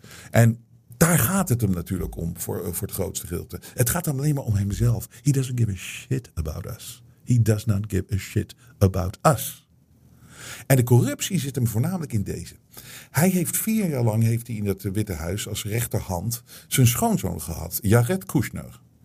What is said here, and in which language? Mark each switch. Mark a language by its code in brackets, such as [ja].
[nl] En daar gaat het hem natuurlijk om voor het grootste gedeelte. Het gaat hem alleen maar om hemzelf. [en] He doesn't give a shit about us. He does not give a shit about us. [nl] En de corruptie zit hem voornamelijk in deze. Hij heeft 4 jaar lang heeft hij in het Witte Huis als rechterhand zijn schoonzoon gehad, Jared Kushner.